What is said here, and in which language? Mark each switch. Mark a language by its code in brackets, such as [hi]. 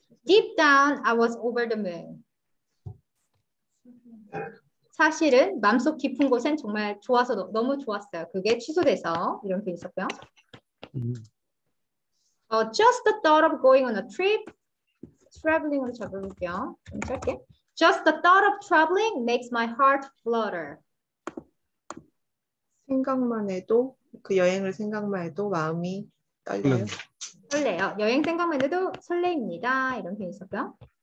[en] Deep down, I was over the moon. [ko] 사실은 마음속 깊은 곳엔 정말 좋아서 너무 좋았어요. 그게 취소돼서 이런 게 있었고요. [en] Just the thought of going on a trip, traveling [ko] 으로 적어볼게요. 좀 짧게. [en] Just the thought of traveling makes my heart flutter. [ko] 생각만 해도 그 여행을 생각만 해도 마음이 떨려요. 설레요. 여행 생각만 해도 설레입니다. 이런 게 있었고요.